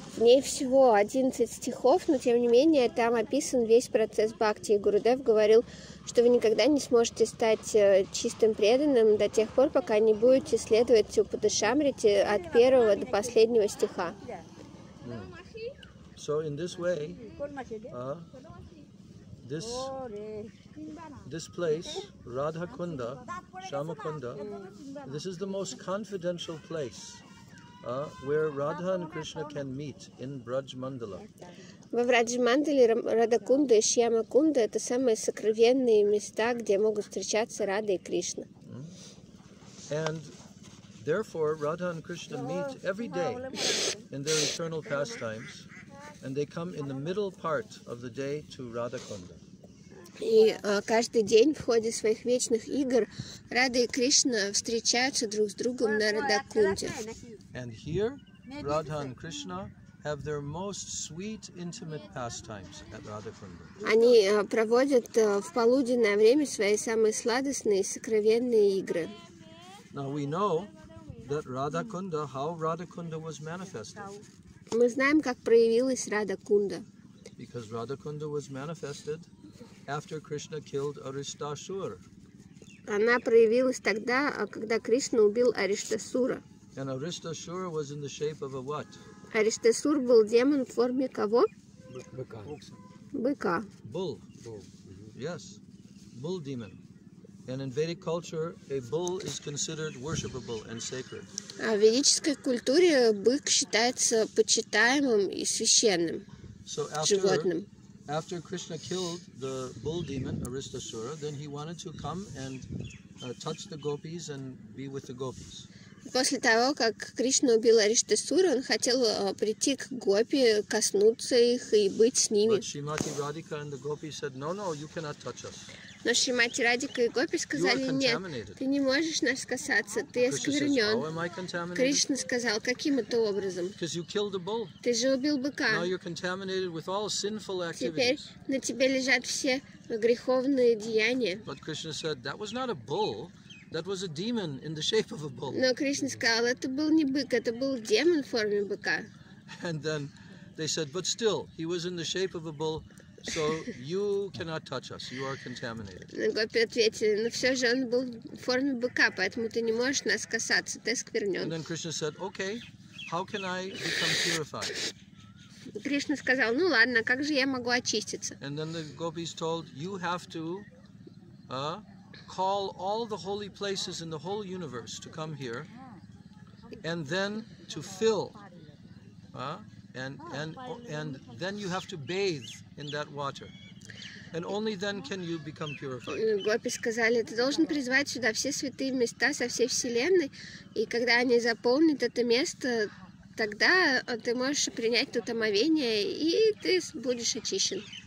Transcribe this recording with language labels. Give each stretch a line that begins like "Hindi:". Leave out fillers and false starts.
Russian: В ней всего 11 стихов, но тем не менее там описан весь процесс бхакти. Гурудев говорил, что вы никогда не сможете стать чистым преданным до тех пор, пока не будете следовать Упадешамрите от первого до последнего стиха.
English: So in this way, This place, Radha Kunda, Shama Kunda, this is the most confidential place where Radha and Krishna can meet in Braj Mandala.
Russian: Во Враджа-мандале Радха-кунда и Шьяма-кунда — это самые сокровенные места, где могут встречаться Рада и Кришна.
English: And therefore, Radha and Krishna meet every day in their eternal pastimes, and they come in the middle part of the day to Радха-кунда.
Russian: И каждый день в ходе своих вечных игр Рада и Кришна встречаются друг с другом на Радха-кунде.
English: And here, Radha and Krishna have their most sweet intimate pastimes at Radha Kunda.
Russian: Они проводят в полуденное время свои самые сладостные и сокровенные игры.
English: Now we know that Radha Kunda, how Radha Kunda was manifested.
Russian: Мы знаем, как проявилась Радха Кунда.
English: Because Radha Kunda was manifested after Krishna killed Arishtasura.
Russian: Она проявилась тогда, когда Кришна убил Арештасура.
English: And Arishtasura was in the shape of a what?
Russian: Арештасур был демон в форме кого? Быка. Быка.
English: Bull. Yes. Bull demon. And in Vedic culture, a bull is considered worshipable and sacred.
Russian: В ведической культуре бык считается почитаемым и священным животным.
English: After Krishna killed the bull demon Arishtasura, then he wanted to come and touch the gopis and be with the gopis.
Russian: После того, как Кришна убил Арештасура, он хотел прийти к гопи, коснуться их и быть с ними.
English: But Shrimati Radhika and the gopi said, "No, no, you cannot touch us."
Russian: Но Шримати Радика и гопи сказали: "Нет, ты не можешь нас касаться, ты осквернен." Кришна сказал: "Каким это образом?
English: Because you killed a bull.
Russian: Ты же убил быка.
English: Now you're contaminated with all sinful activities.
Russian: Теперь на тебе лежат все греховные деяния."
English: But Krishna said, "That was not a bull. That was a demon in the shape of a bull."
Russian: Но Кришна сказал: "Это был не бык, это был демон в форме быка."
English: And then they said, "But still, he was in the shape of a bull, so you cannot touch us. You are contaminated."
Russian: Но гопи ответили: "Но все же он был в форме быка, поэтому ты не можешь нас касаться, ты осквернен."
English: And then Krishna said, "Okay, how can I become purified?"
Russian: Кришна сказал: "Ну ладно, как же я могу очиститься?"
English: And then the gopis told, "You have to, call all the holy places in the whole universe to come here, and then to fill, and then you have to bathe in that water, and only then can you become purified."
Russian: Гопи сказали: "Ты должен призвать сюда все святые места со всей вселенной, и когда они заполнят это место, тогда ты можешь принять тут омовение, и ты будешь очищен."